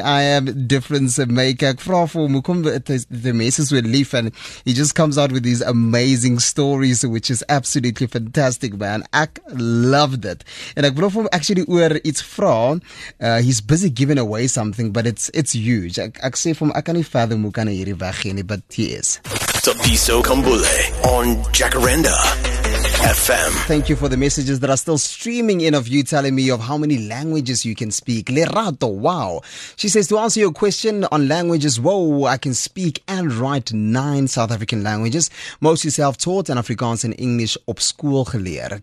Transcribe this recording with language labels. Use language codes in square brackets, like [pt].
[en] I am Difference Maker. [af] Vra vir hom, hoekom [en] the messes with Leaf, and he just comes out with these amazing stories, which is absolutely fantastic, man. [af] Ek [en] loved it. And [af] ek wil hom actually oor iets vra. [en] He's busy giving away something, but it's huge. [af] Ek sê vir hom, ek kan nie fathom hoe kan hy hierdie weggee nie, [en] but he is. Tapiso Kambule on Jacaranda FM. Thank you for the messages that are still streaming in of you telling me of how many languages you can speak. Lerato, wow. She says, to answer your question on languages, whoa, I can speak and write 9 South African languages, mostly self-taught, and Afrikaans and English [af] op school geleer.